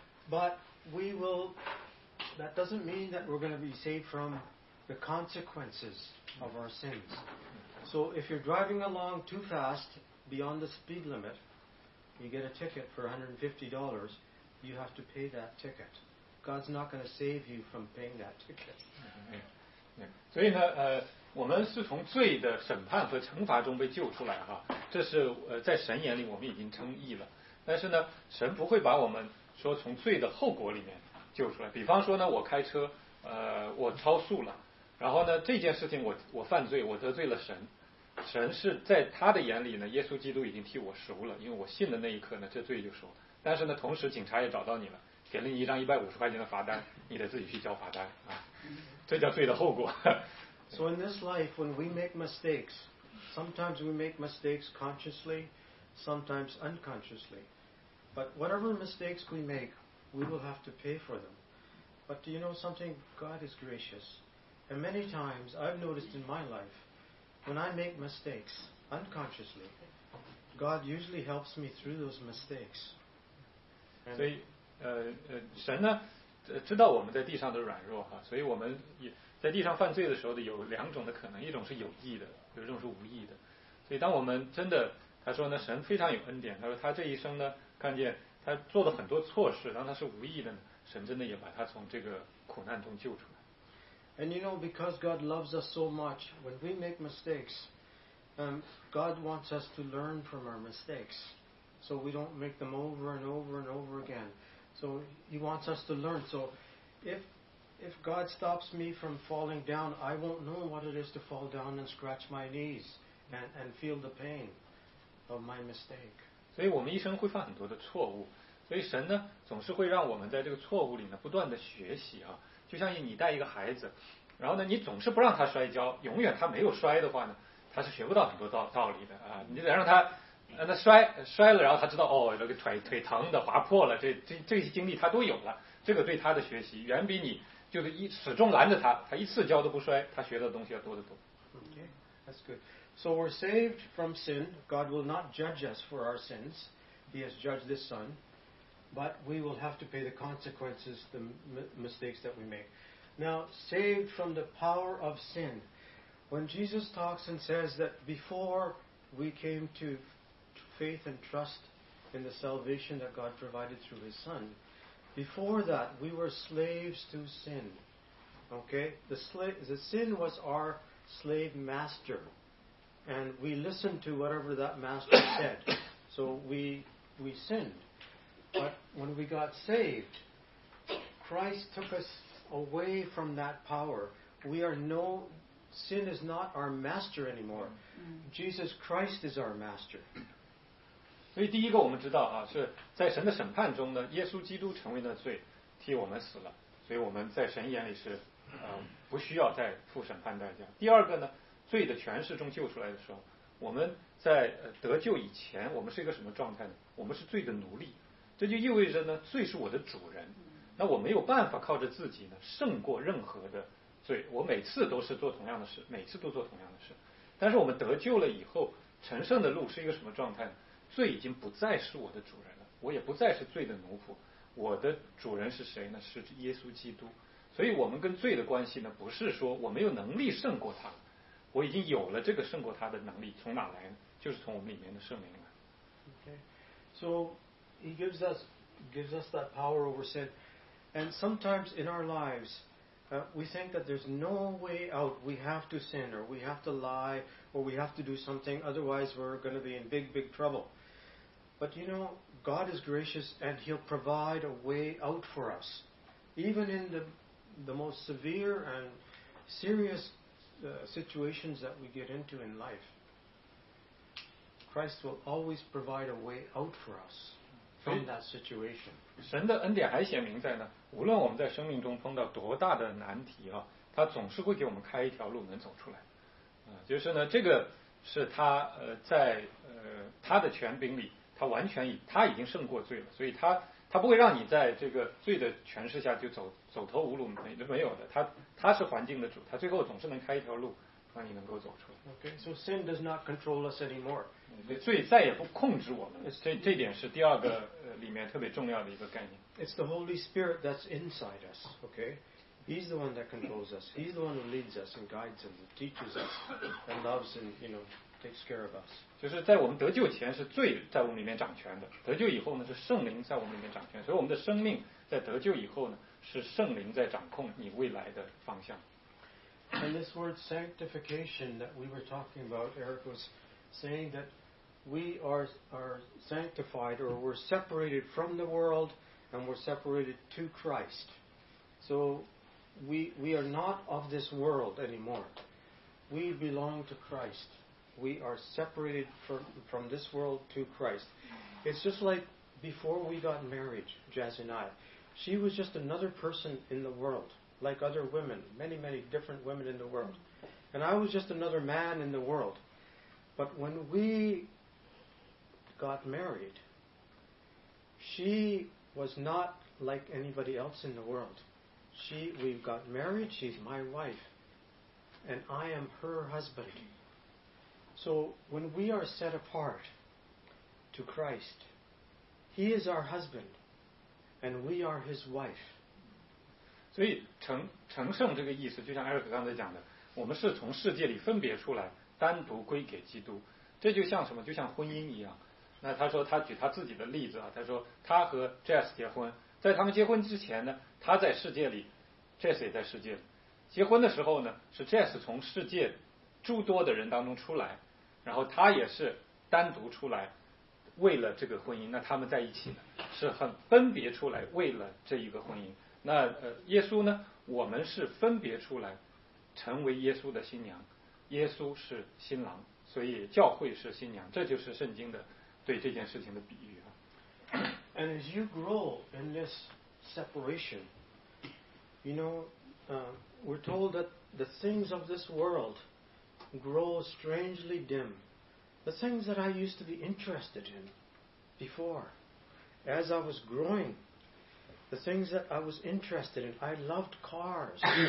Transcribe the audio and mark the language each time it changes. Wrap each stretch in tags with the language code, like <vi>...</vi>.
<en>But we will, that doesn't mean that we're going to be saved from the consequences of our sins. So if you're driving along too fast, beyond the speed limit, you get a ticket for $150, you have to pay that ticket. God's not going to save you from paying that ticket. Yeah.</en> <zh>所以呢，我们是从罪的审判和惩罚中被救出来哈，这是在神眼里我们已经称义了。但是呢，神不会把我们说从罪的后果里面救出来。比方说呢，我开车，我超速了。然后呢，这件事情我犯罪，我得罪了神，神是在他的眼里呢，耶稣基督已经替我赎了，因为我信的那一刻呢，这罪就赎了。但是呢，同时警察也找到你了，给了你一张150块钱的罚单，你得自己去交罚单啊，这叫罪的后果。</zh> <en>So in this life, when we make mistakes, sometimes we make mistakes consciously, sometimes unconsciously. But whatever mistakes we make, we will have to pay for them. But do you know something? God is gracious. And many times I've noticed in my life, when I make mistakes unconsciously, God usually helps me through those mistakes.</en> <zh>And 所以神呢知道我们在地上的软弱哈，所以我们也在地上犯罪的时候的有两种的可能，一种是有意的，有一种是无意的。所以当我们真的他说呢，神非常有恩典，他说他这一生呢看见他做了很多错事，当他是无意的呢，神真的也把他从这个苦难中救出来。</zh> <en>And you know, because God loves us so much, when we make mistakes, God wants us to learn from our mistakes, so we don't make them over and over and over again. So He wants us to learn. So if God stops me from falling down, I won't know what it is to fall down and scratch my knees and feel the pain of my mistake.</en> <zh>所以我们一生会犯很多的错误，所以神呢总是会让我们在这个错误里呢不断的学习啊，就像你带一个孩子，然后呢你总是不让他摔跤，永远他没有摔的话呢，他是学不到很多道理的啊，你得让他那摔了，然后他知道哦，那个腿疼的划破了，这些经历他都有了，这个对他的学习远比你就是始终拦着他一次跤都不摔，他学的东西要多得多。</zh> <en>Okay, that's good. So we're saved from sin. God will not judge us for our sins. He has judged this son, but we will have to pay the consequences, the mistakes that we make. Now, saved from the power of sin. When Jesus talks and says that before we came to faith and trust in the salvation that God provided through His Son, before that we were slaves to sin. Okay? The sin was our slave master, and we listened to whatever that master said. So we sinned. But when we got saved, Christ took us away from that power. We are no sin is not our master anymore. Jesus Christ is our master.</en> <zh>所以第一个我们知道啊，是在神的审判中呢，耶稣基督成为了罪，替我们死了，所以我们在神眼里是不需要再付审判代价。第二个呢，罪的权势中救出来的时候，我们在得救以前，我们是一个什么状态呢？我们是罪的奴隶，这就意味着呢，罪是我的主人，那我没有办法靠着自己呢胜过任何的罪，我每次都是做同样的事，每次都做同样的事。但是我们得救了以后，成圣的路是一个什么状态呢？罪已经不再是我的主人了，我也不再是罪的奴仆，我的主人是谁呢？是耶稣基督。所以我们跟罪的关系呢，不是说我没有能力胜过他，我已经有了这个胜过他的能力，从哪来呢？就是从我们里面的圣灵来。</zh> <en>Okay, so He gives us that power over sin, and sometimes in our lives, we think that there's no way out. We have to sin, or we have to lie, or we have to do something, otherwise we're going to be in big, big trouble. But you know, God is gracious, and He'll provide a way out for us. Even in the most severe and serious situations that we get into in life, Christ will always provide a way out for us from that situation.</en> <zh>神的恩典还显明在呢，无论我们在生命中碰到多大的难题啊，他总是会给我们开一条路能走出来。就是呢，这个是他在他的权柄里，他已经胜过罪了，所以他不会让你在这个罪的权势下就走投无路，没有的。他是环境的主，他最后总是能开一条路，让你能够走出来。</zh> <en>Okay, so sin does not control us anymore.</en> <zh>罪再也不控制我们。这点是第二个里面特别重要的一个概念。</zh> <en>It's the Holy Spirit that's inside us. Okay. He's the one that controls us. He's the one who leads us and guides us and teaches us and loves and, you know, takes care of us.</en> <zh>就是在我们得救前是罪在我们里面掌权的，得救以后呢是圣灵在我们里面掌权，所以我们的生命在得救以后呢是圣灵在掌控你未来的方向。</zh> <en>And this word sanctification that we were talking about, Eric was saying that we are sanctified or we're separated from the world and we're separated to Christ. So,We are not of this world anymore. We belong to Christ. We are separated from this world to Christ. It's just like before we got married, Jazz and I. She was just another person in the world, like other women, many, many different women in the world. And I was just another man in the world. But when we got married, she was not like anybody else in the world. We've got married, she's my wife, and I am her husband. So when we are set apart to Christ, He is our husband, and we are His wife.</en> <zh>所以成圣这个意思，就像艾瑞克刚才讲的，我们是从世界里分别出来，单独归给基督。这就像什么？就像婚姻一样。那他说，他举他自己的例子啊，他说他和 Jess 结婚，在他们结婚之前呢，他在世界里 ，Jess 也在世界里。结婚的时候呢，是 Jess 从世界诸多的人当中出来，然后他也是单独出来，为了这个婚姻。那他们在一起呢，是很分别出来为了这一个婚姻。那耶稣呢，我们是分别出来成为耶稣的新娘，耶稣是新郎，所以教会是新娘。这就是圣经的对这件事情的比喻啊。</zh> <en>And as you grow in this separation, you know, we're told that the things of this world grow strangely dim. The things that I used to be interested in before, as I was growing, the things that I was interested in, I loved cars.</en>